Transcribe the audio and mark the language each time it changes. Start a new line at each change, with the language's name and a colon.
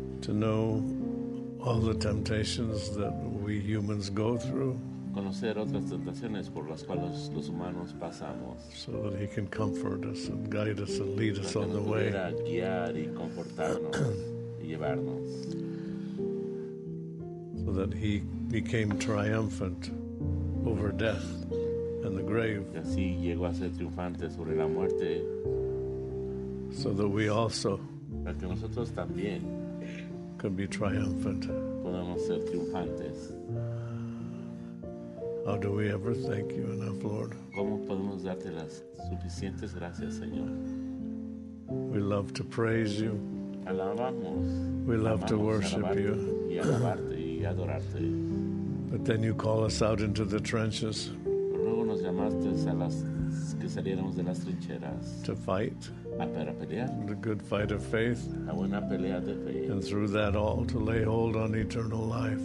English: To know all the temptations that we humans go through.
Spanish: Conocer otras tentaciones por las cuales los humanos pasamos.
English: So that he can comfort us and guide us and lead us on the way.
Spanish: Para que nos pudiera guiar y confortarnos.
English: So that he became triumphant over death and the grave.
Spanish: Y así llegó a ser triunfante sobre la muerte.
English: So that we also,
Spanish: para que nosotros también,
English: could be triumphant.
Spanish: Podamos ser triunfantes.
English: How do we ever thank you enough, Lord?
Spanish: ¿Cómo podemos darte las suficientes gracias, Señor?
English: We love to praise you.
Spanish: Alabamos,
English: we love to worship you.
Spanish: Y alabarte y adorarte.
English: But then you call us out into the trenches.
Spanish: Luego nos llamaste a las que saliéramos de las trincheras.
English: To fight.
Spanish: A para pelear.
English: The good fight of faith.
Spanish: A buena pelea de fe.
English: And through that all to lay hold on eternal life.